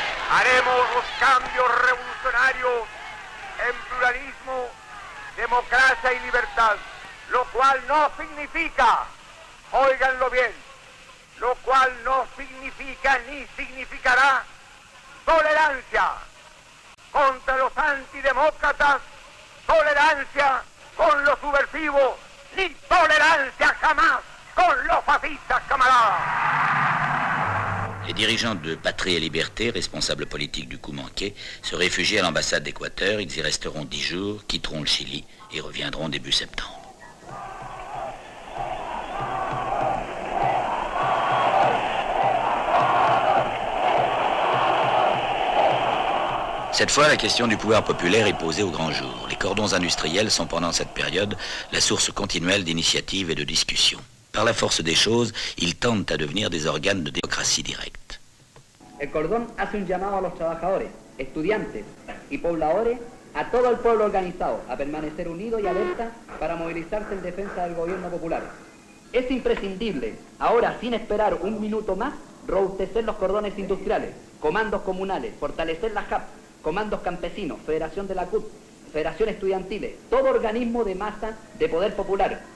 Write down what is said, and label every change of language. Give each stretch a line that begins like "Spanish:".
Spanish: Haremos los cambios revolucionarios en pluralismo, democracia y libertad, lo cual no significa, óiganlo bien, lo cual no significa ni significará tolerancia contra los antidemócratas. Tolerancia con los subversivos, ni tolerancia jamás con los fascistas, camaradas.
French: Les dirigeants de Patrie et Liberté, responsables politiques du coup manqué, se réfugient à l'ambassade d'Équateur. Ils y resteront 10 jours, quitteront le Chili et reviendront début septembre. Cette fois, la question du pouvoir populaire est posée au grand jour. Les cordons industriels sont pendant cette période la source continuelle d'initiatives et de discussions. Par la force des choses, ils tendent à devenir des organes de démocratie directe.
Spanish: El cordón hace un llamado a los trabajadores, estudiantes y pobladores, a todo el pueblo organizado, a permanecer unido y alerta para movilizarse en defensa del gobierno popular. Es imprescindible, ahora sin esperar un minuto más, robustecer los cordones industriales, comandos comunales, fortalecer las CAP, comandos campesinos, Federación de la CUT, Federación Estudiantil, todo organismo de masa de poder popular.